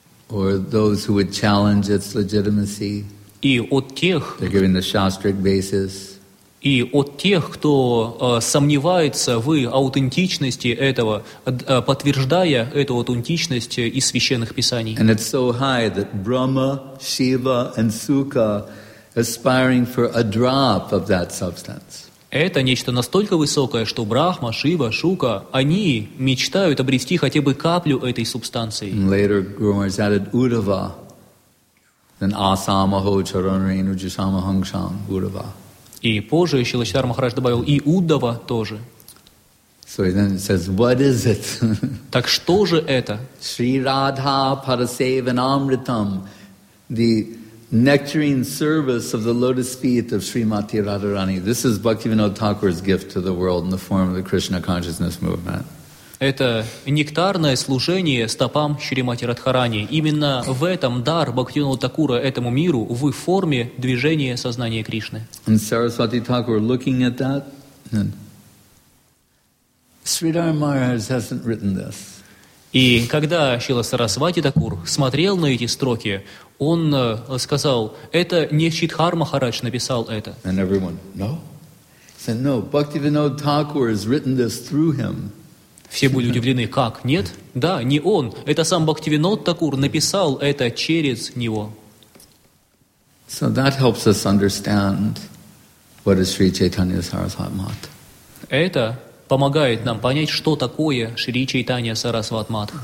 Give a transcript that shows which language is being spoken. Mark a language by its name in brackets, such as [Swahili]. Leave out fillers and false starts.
[English] Or those who would challenge its legitimacy. [Russian] И от тех, [English] they're giving the shastric basis. [Russian] И от тех, кто сомневается в аутентичности этого, подтверждая эту аутентичность из священных писаний. [English] And it's so high that Brahma, Shiva and Sukha aspiring for a drop of that substance. [Russian] Это нечто настолько высокое, что Брахма, Шива, Шука, они мечтают обрести хотя бы каплю этой субстанции. [English] And later Guru Maharaj added Uddhava, then [Sanskrit] Asamaho Charanarenu Jisamahangsham Uddhava. [Russian] И позже Шрила Чайтанья Махарадж добавил и Уддава тоже. [English] So then it says, what is it? [Russian] Так что же это? [Sanskrit] Шри Радха Парасеванамритам, [English] the nectarine service of the lotus feet of Srimati Radharani. This is Bhaktivinoda Thakur's gift to the world in the form of the Krishna consciousness movement. [Russian] Это нектарное служение стопам Шримати Радхарани. Именно в этом дар Бхактивинода Такура этому миру в форме движения сознания Кришны. [English] And Saraswati Thakur looking at that. Sridhar Maharaj hasn't written this. [Russian] И когда Шрила Сарасвати Такур смотрел на эти строки, он сказал, это не Чидхар Махарадж написал это. [English] And everyone, no. He said, no, Bhaktivinoda Thakur has written this through him. [Russian] Все были удивлены, как? Нет? Да, не он. Это сам Бхактивинод Такур написал это через него. [English] So that helps us understand what is Sri Chaitanya Sarasvatmat. [Russian] Это помогает нам понять, что такое Шри Чайтанья Сарасватмат.